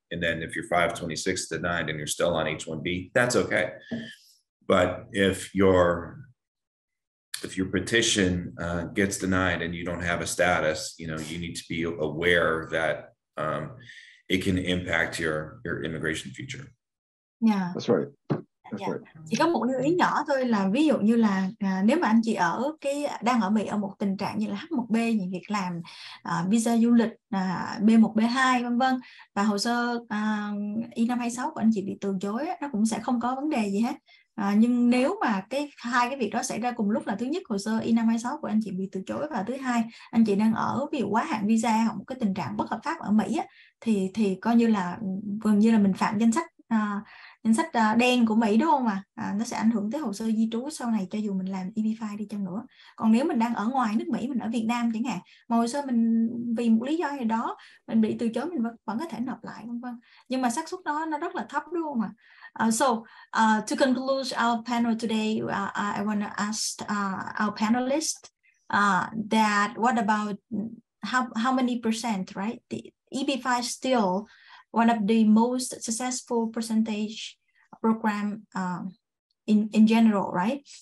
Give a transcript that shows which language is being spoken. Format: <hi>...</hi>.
<en>And then if you're 526 denied and you're still on H-1B, that's okay. But if your petition gets denied and you don't have a status, you know, you need to be aware that it can impact your immigration future. Yeah. That's right. Yeah.</en> <vi>Chỉ có một lưu ý nhỏ thôi là ví dụ như là nếu mà anh chị ở cái đang ở Mỹ ở một tình trạng như là H1B, những việc làm visa du lịch B1, B2 vân vân và hồ sơ I-526 của anh chị bị từ chối, nó cũng sẽ không có vấn đề gì hết. Nhưng nếu mà cái hai cái việc đó xảy ra cùng lúc là thứ nhất hồ sơ I-526 của anh chị bị từ chối và thứ hai anh chị đang ở ví dụ quá hạn visa hoặc một cái tình trạng bất hợp pháp ở Mỹ thì coi như là gần như là mình phạm danh sách đen của Mỹ đúng không ạ? Nó sẽ ảnh hưởng tới hồ sơ di trú sau này cho dù mình làm EB-5 đi chăng nữa. Còn nếu mình đang ở ngoài nước Mỹ, mình ở Việt Nam chẳng hạn, mà hồ sơ mình vì một lý do gì đó mình bị từ chối, mình vẫn có thể nộp lại vân vân. Nhưng mà xác suất đó nó rất là thấp đúng không ạ?</vi> <en>So to conclude our panel today, I want to ask our panelists that what about how many percent, right? The EB-5 still one of the most successful percentage program in general, right?</en>